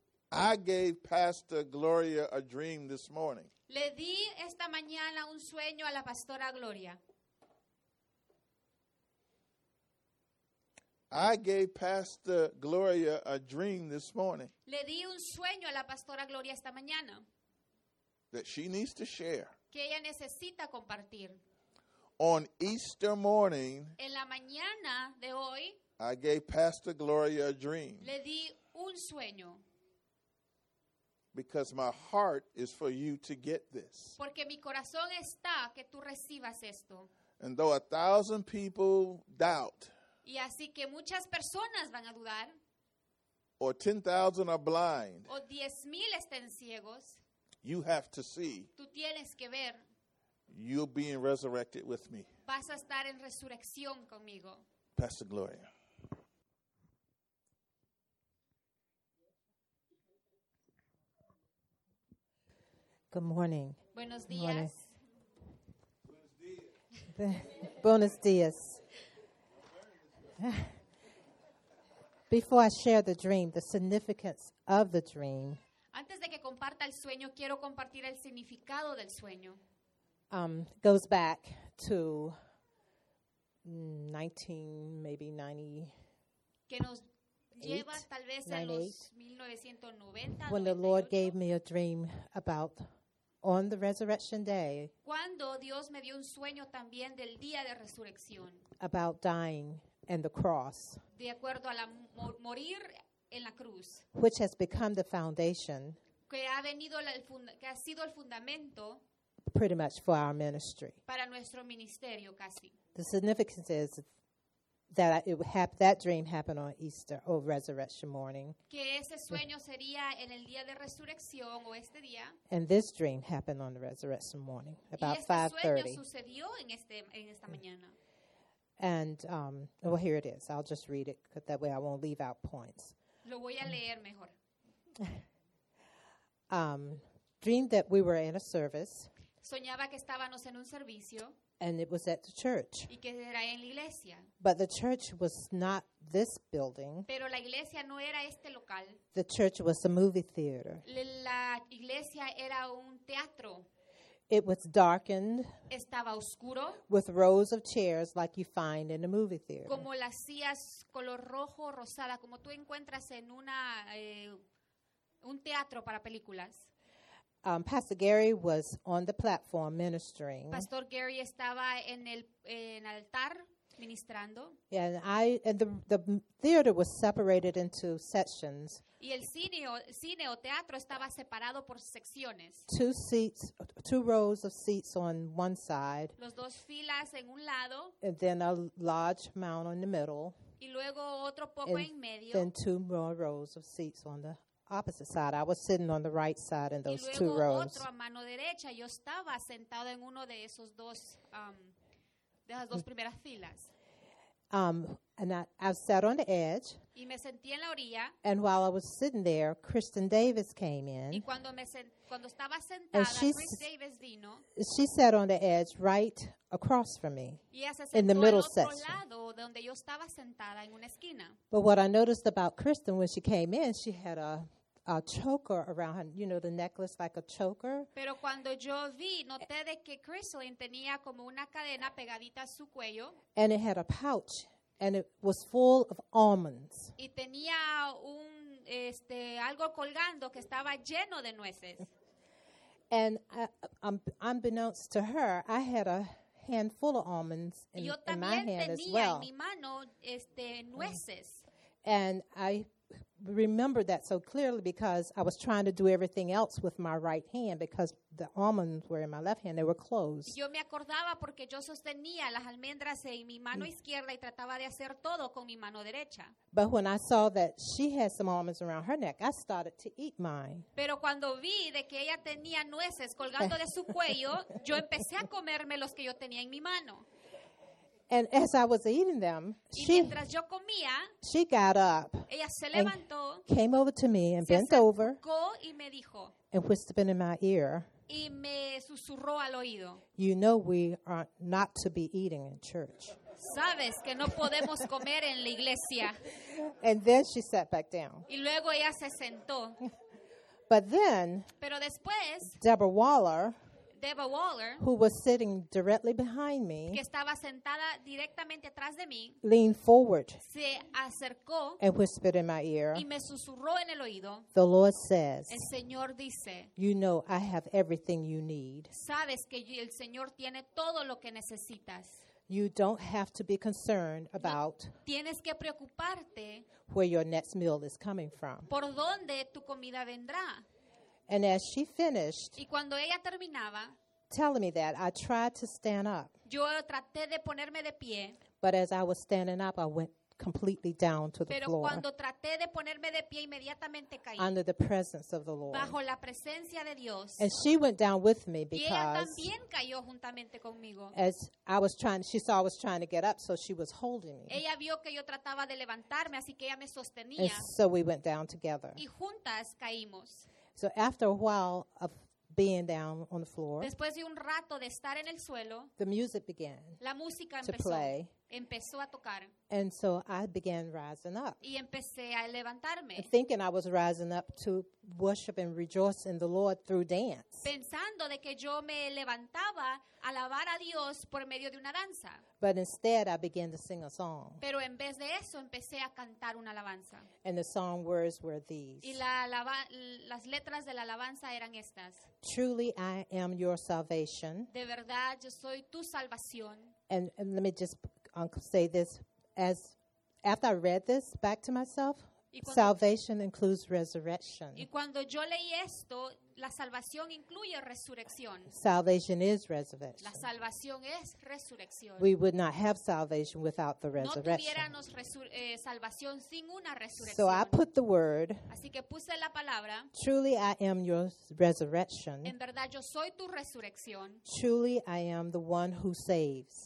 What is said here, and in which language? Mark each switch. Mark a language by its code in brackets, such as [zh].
[en] I gave Pastor Gloria a dream this morning. [es] Le di esta mañana un sueño a la pastora Gloria. [en] I gave Pastor Gloria a dream this morning. [es] Le di un sueño a la pastora Gloria esta mañana. [en] That she needs to share. [es] Que ella necesita compartir. [en] On Easter morning. [es] En la mañana de hoy. [en] I gave Pastor Gloria a dream. [es] Le di un sueño. [en] Because my heart is for you to get this. [es] Porque mi corazón está que tú recibas esto. [en] And though 1,000 people doubt. [es] Y así que muchas personas van a dudar. [en] Or 10,000 are blind. [es] O 10,000 estén ciegos. [en] You have to see. [es] Tú tienes que ver. [en] You're being resurrected with me. [es] Vas a estar en resurrección conmigo. [en] Pastor Gloria. Good morning. [es] Buenos días. [en] Morning. [es] Buenos días. [en] Before I share the dream, the significance of the dream. [es] Antes de que comparta el sueño, quiero compartir el significado del sueño. [en] Goes back to 19, maybe 90. [es] Que nos lleva tal vez a los 1990. [en] When the Lord gave me a dream about on the resurrection day. [es] Cuando Dios me dio un sueño también del día de resurrección. [en] About dying and the cross. [es] De acuerdo a la morir en la cruz. [en] Which has become the foundation. [es] Que ha sido el fundamento. [en] Pretty much for our ministry. [es] Para nuestro ministerio casi. [en] The significance is that that dream happened on Easter or resurrection morning. [es] Que ese sueño sería en el día de resurrección o este día. [en] And this dream happened on the resurrection morning about [es] 5:30. Y este sueño sucedió en esta mañana. [en] And well, here it is. I'll just read it cause that way I won't leave out points. [es] Lo voy a leer mejor. [en] Dreamed that we were in a service. [es] Soñaba que estábamos en un servicio. [en] And it was at the church. [es] Y que era en la iglesia. [en] But the church was not this building. [es] Pero la iglesia no era este local. [en] The church was a movie theater. [es] La iglesia era un teatro. [en] It was darkened. [es] Estaba oscuro. [en] With rows of chairs like you find in a movie theater. [es] Como las sillas color rojo o rosada, como tú encuentras en un teatro para películas. [en] Pastor Gary was on the platform ministering. [es] Pastor Gary estaba en el altar. ministrando. [en] Yeah, and the theater was separated into sections. [es] Y el cine o teatro estaba separado por secciones. [en] Two seats, two rows of seats on one side. [es] Los dos filas en un lado. [en] And then a large mound in the middle. [es] Y luego otro poco [en] and [es] en medio. [en] Then two more rows of seats on the opposite side. I was sitting on the right side in those [es] y [en] two rows. [es] Otro a mano derecha. Yo estaba sentado en uno de esos dos de las dos primeras filas. [en] And I sat on the edge. [es] Y me sentí en la orilla. [en] And while I was sitting there, Kristen Davis came in. [es] Y cuando cuando estaba sentada, Chris Davis vino. [en] She sat on the edge right across from me. [es] Y ella se sentó [en] in the middle [es] en otro section. Lado de donde yo estaba sentada en una esquina. [en] But what I noticed about Kristen when she came in, she had a choker around her, you know, the necklace like a choker. [es] Pero cuando yo vi, noté de que Kristen tenía como una cadena pegadita a su cuello. [en] And it had a pouch. And it was full of almonds. [es] Y tenía un algo colgando que estaba lleno de nueces. [en] And unbeknownst to her, I had a handful of almonds in my hand as well. [es] Yo también tenía en mi mano nueces. [en] And I remember that so clearly because I was trying to do everything else with my right hand because the almonds were in my left hand, they were closed. [es] Yo me acordaba porque yo sostenía las almendras en mi mano izquierda y trataba de hacer todo con mi mano derecha. [en] But when I saw that she had some almonds around her neck, I started to eat mine. [es] Pero cuando vi de que ella tenía nueces colgando de su cuello, yo empecé a comerme los que yo tenía en mi mano. [en] And as I was eating them, she got up, [es] ella se levantó, [en] and came over to me and bent over, [es] y me dijo, [en] and whispered in my ear, [es] y me susurró al oído, [en] "You know we are not to be eating in church." [es] Sabes que no podemos comer en la iglesia. [en] And then she sat back down. [es] Y luego ella se sentó. [en] But then, [es] pero después, [en] Deborah Waller, who was sitting directly behind me, [es] que estaba sentada directamente atrás de mí, [en] leaned forward, [es] se acercó, [en] and whispered in my ear, [es] y me susurró en el oído, [en] "The Lord says, [es] el Señor dice, [en] you know I have everything you need. [es] Sabes que el Señor tiene todo lo que necesitas. [en] You don't have to be concerned about [es] tienes que preocuparte [en] where your next meal is coming from. [es] Por dónde tu comida vendrá." [en] And as she finished, [es] y cuando ella terminaba, [en] telling me that, I tried to stand up. [es] Yo traté de ponerme de pie, [en] but as I was standing up, I went completely down to the [es] pero [en] floor. [es] Cuando traté de ponerme de pie, inmediatamente caí, [en] under the presence of the Lord. [es] Bajo la presencia de Dios. [en] And she went down with me because [es] y ella también cayó juntamente conmigo. [en] As I was trying, she saw I was trying to get up, so she was holding me. [es] Ella vio que yo trataba de levantarme, así que ella me sostenía. [en] And so we went down together. [es] Y juntas caímos. [en] So after a while of being down on the floor, [es] después de un rato de estar en el suelo, [en] the music began [es] la música [en] to play. [es] Empezó a tocar. [en] And so I began rising up. [es] Y empecé a levantarme. [en] And thinking I was rising up to worship and rejoice in the Lord through dance. [es] Pensando de que yo me levantaba a alabar a Dios por medio de una danza. [en] But instead I began to sing a song. [es] Pero en vez de eso empecé a cantar una alabanza. [en] And the song words were these. [es] Y las letras de la alabanza eran estas. [en] Truly I am your salvation. [es] De verdad yo soy tu salvación. [en] And let me just say this as after I read this back to myself, salvation includes resurrection. [es] Y cuando yo leí esto, la salvación incluye resurrección. [en] Salvation is resurrection. [es] La salvación es resurrección. [en] We would not have salvation without the resurrection. [es] No tuviéramos salvación sin una resurrección. [en] So I put the word. [es] Así que puse la palabra. [en] Truly I am your resurrection. [es] En verdad yo soy tu resurrección. [en] Truly I am the one who saves.